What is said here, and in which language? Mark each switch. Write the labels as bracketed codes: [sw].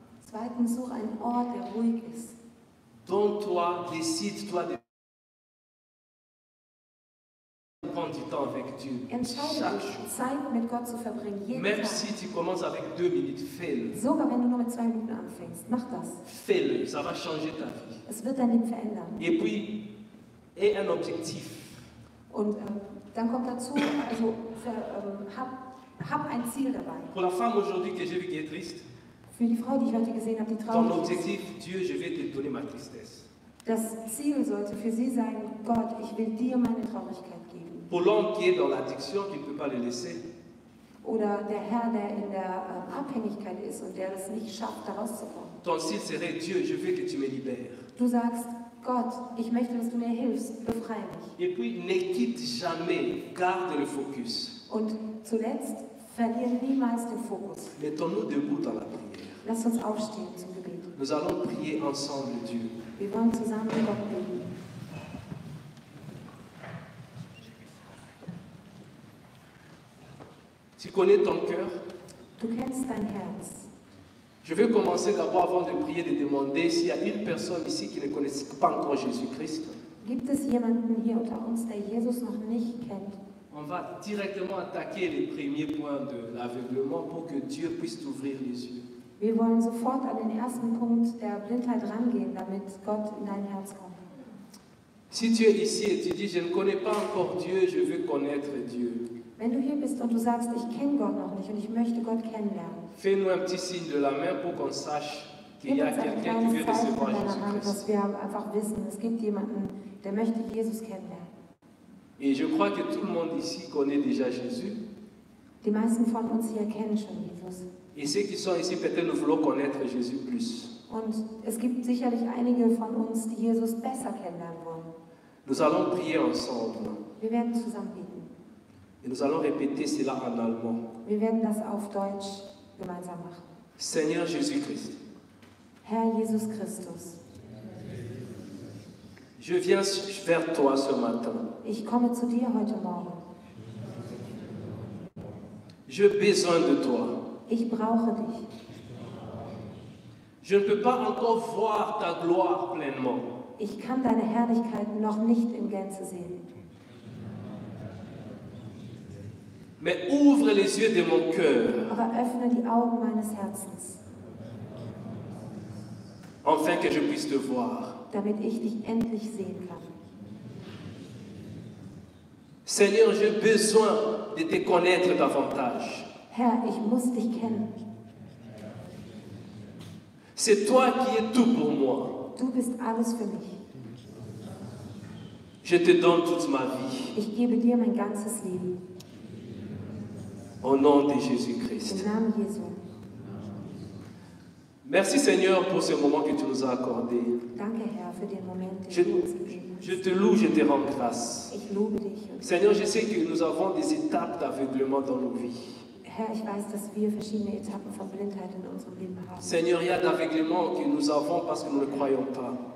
[de] Zweitens, such einen Ort, der ruhig ist. [fr] Donne-toi, décide-toi de prendre du temps avec Dieu. [de] Entscheide dich, Zeit mit Gott zu verbringen, jeden [fr] Même [de] Tag. [fr] Si tu commences avec deux minutes, fais-le. [de] Sogar wenn du nur mit zwei Minuten anfängst, mach das. [fr] Fais-le, ça va changer ta vie. [de] Es wird dein Leben verändern. [fr] Et puis, aie un objectif. [de] Und dann kommt dazu, also hab ein Ziel dabei. [fr] Pour la femme aujourd'hui que j'ai vu qui est triste, [de] für die Frau, die ich heute gesehen habe, die traurig ist. [fr] Ton objectif, Dieu, je vais te donner ma tristesse. [de] Das Ziel sollte für sie sein, Gott, ich will dir meine Traurigkeit geben. [fr] Pour l'homme qui est dans l'addiction, qui ne peut pas le laisser. [de] Oder der Herr, der in der Abhängigkeit ist und der es nicht schafft, da rauszukommen. [fr] Ton [de] Ziel [fr] serait, Dieu, je veux que tu me libères. [de] Du sagst, Gott, ich möchte, dass du mir hilfst, befreie mich. [fr] Et puis, ne quitte jamais, garde le focus. [de] Und zuletzt, verliere niemals den Fokus. [fr] Mettons-nous debout dans la prière. [de] Lass uns aufstehen zum Gebet. [fr] Nous allons prier ensemble, Dieu. [de] Wir wollen zusammen Gott beten. [fr] Tu connais ton cœur? [de] Du kennst dein Herz. [fr] Je vais commencer d'abord avant de prier de demander s'il y a une personne ici qui ne connaît pas encore Jésus-Christ. [de] Gibt es jemanden hier unter uns, der Jesus noch nicht kennt? [fr] On va directement attaquer les premiers points de l'aveuglement pour que Dieu puisse t'ouvrir les yeux. [de] Wir wollen sofort an den ersten Punkt der Blindheit rangehen, damit Gott in dein Herz kommt. [fr] Si tu es ici et tu dis je ne connais pas encore Dieu, je veux connaître Dieu. [de] Wenn du hier bist und du sagst, ich kenne Gott noch nicht und ich möchte Gott kennenlernen. [fr] Fais-nous un petit signe de la main pour qu'on sache qu'il y a quelqu'un qui veut recevoir Jésus. [de] Dass wir einfach wissen, es gibt jemanden, der möchte Jesus kennenlernen. [fr] Et je crois que tout le monde ici connaît déjà Jésus. [de] Die meisten von uns hier kennen schon Jesus. [fr] Et ceux qui sont ici, peut-être nous voulons connaître Jésus plus. [de] Und es gibt sicherlich einige von uns, die Jesus besser kennenlernen wollen. [fr] Nous allons prier ensemble. [de] Wir werden zusammen beten. [fr] Et nous allons répéter cela en allemand. [de] Wir werden das auf Deutsch gemeinsam machen. [fr] Seigneur Jésus-Christ. [de] Herr Jesus Christus. [fr] Je viens vers toi ce matin. [de] Ich komme zu dir heute Morgen. [fr] J'ai besoin de toi. [de] Ich brauche dich. [fr] Je ne peux pas encore voir ta gloire pleinement. [de] Ich kann deine Herrlichkeit noch nicht in Gänze sehen. [fr] Mais ouvre les yeux de mon cœur. [de] Aber öffne die Augen meines Herzens. [fr] Afin que je puisse te voir. [de] Damit ich dich endlich sehen kann. [fr] Seigneur, j'ai besoin de te connaître davantage. [de] Herr, ich muss dich kennen. [fr] C'est toi qui es tout pour moi. [de] Du bist alles für mich. [fr] Je te donne toute ma vie. [de] Ich gebe dir mein ganzes Leben. [fr] Au nom de Jésus-Christ. [de] Im Namen Jesu. [fr] Merci Seigneur pour ce moment que tu nous as accordé. [de] Danke Herr für den Moment, den du uns gegeben hast. [fr] Je te loue, je te rends grâce. [de] Ich lobe dich. [fr] Seigneur, je sais que nous avons des étapes d'aveuglement dans nos vies. [de] Herr, ich weiß, dass wir verschiedene Etappen von Blindheit in unserem Leben haben. [fr] Seigneur, il y a d'aveuglement que nous avons parce que nous ne croyons pas.